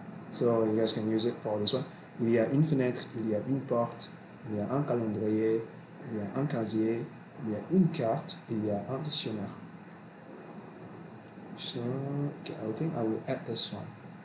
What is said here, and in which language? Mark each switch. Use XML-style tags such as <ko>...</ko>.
<en>So, you guys can use it for this one.</en> <fr>Il y a une fenêtre, il y a une porte, il y a un calendrier, il y a un casier, il y a une carte, il y a un dictionnaire.</fr> <en>So, okay, I think I will add this one.</en>